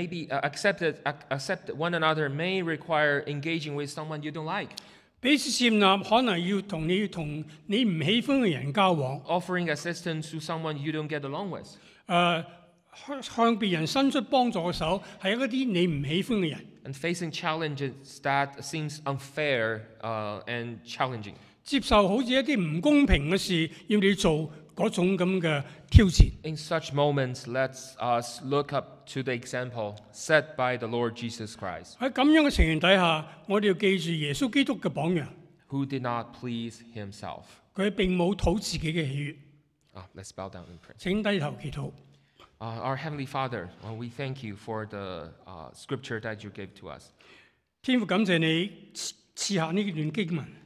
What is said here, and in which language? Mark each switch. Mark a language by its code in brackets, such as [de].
[en] Accept one another may require engaging with someone you don't like. [yue] 彼此接納可能要同你唔喜歡嘅人交往。 [en] Offering assistance to someone you don't get along with. [yue] 向別人伸出幫助嘅手係一啲你唔喜歡嘅人。 [en] And facing challenges that seems unfair, and challenging. [yue] 接受好似一啲唔公平嘅事要你做。嗰種咁嘅挑戰。 [en] In such moments, let's us look up to the example set by the Lord Jesus Christ. [yue] 喺咁樣嘅情形底下，我哋要記住耶穌基督嘅榜樣。 [en] Who did not please himself? [yue] 佢並冇討自己嘅喜悅。 [en] Let's bow down and pray. [yue] 請低頭祈禱。 [en] Our Heavenly Father, we thank you for the scripture that you gave to us. [yue] 天父感謝你賜下呢段經文。